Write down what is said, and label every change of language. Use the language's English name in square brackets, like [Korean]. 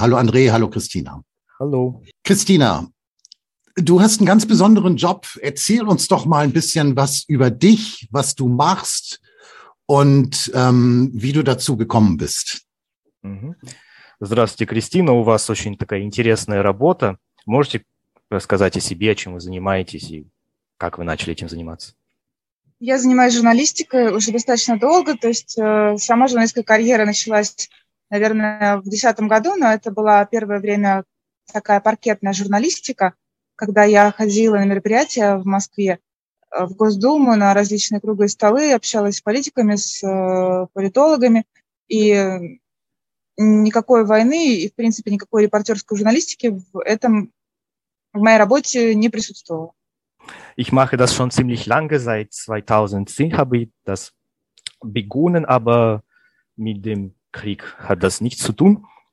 [German] Hallo André, hallo Christina. Hallo. Christina, du hast einen ganz besonderen Job. Erzähl uns doch mal ein bisschen was über dich, was du machst und wie du dazu gekommen bist. [Russian] Здравствуйте, Christina. У вас очень такая интересная работа. Можете рассказать о себе, чем вы занимаетесь и как вы начали этим заниматься? Я занимаюсь журналистикой уже достаточно долго. То есть сама журналистская карьера началась, наверное, в 2010 году, но это была первое время такая паркетная журналистика, когда я ходила на мероприятия в Москве, в Госдуму, на различные круглые столы, общалась с политиками, с политологами. И никакой войны и, в принципе, никакой репортерской журналистики в этом, в моей работе не присутствовало. [German] Ich mache das schon ziemlich lange, seit 2010 habe ich das begonnen, aber mit dem Krieg hatte das nichts zu tun.